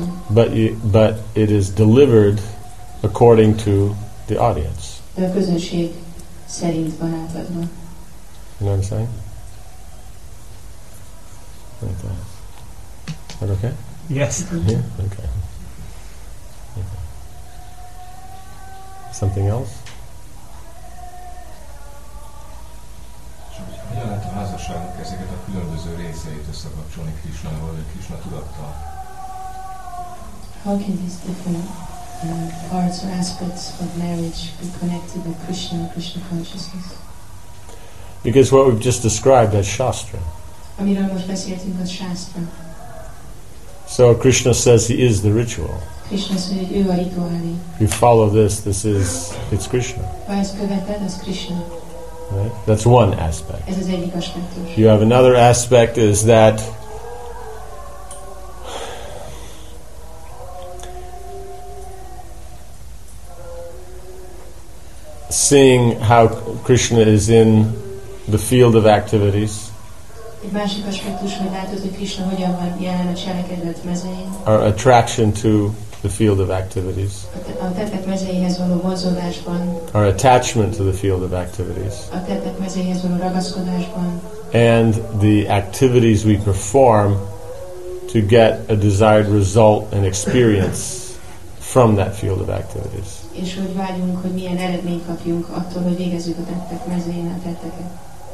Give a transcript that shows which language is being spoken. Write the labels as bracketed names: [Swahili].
[English] But it is delivered according to the audience. [Hungarian] De a közönség szerint van átadva. [English] You know what I'm saying? Like that. Is that okay? Yes. Yeah? Okay. Okay. Something else? [Hungarian] Hogyan lehet a házasságnak ezeket a különböző részeit összekapcsolni Krisnával, vagy Krisna tudattal? [English] How can these different parts or aspects of marriage be connected with Krishna, Krishna consciousness? Because what we've just described as Shastra. [Hungarian] Amiről most beszéltünk, az Shastra. [English] So Krishna says he is the ritual. [Hungarian] Krishna szerint ő a rituálé. [English] If you follow this, this is, it's Krishna. [Hungarian] Ha ezt követed, az Krishna. [English] Right? That's one aspect. [Hungarian] Ez az egyik aspektus. [English] You have another aspect is that seeing how Krishna is in the field of activities. [Hungarian] Egy másik aspektus, hogy látod, hogy Krishna hogyan van jelen a cselekedet mezején. [English] Our attraction to the field of activities. [Hungarian] A tettek mezeihez való mozdulásban. [English] Our attachment to the field of activities. [Hungarian] A tettek mezeihez való ragaszkodásban. [English] And the activities we perform to get a desired result and experience from that field of activities. [Hungarian] És hogy vágyunk, hogy milyen eredményt kapjunk attól, hogy végezzük a tettek mezején a tetteket.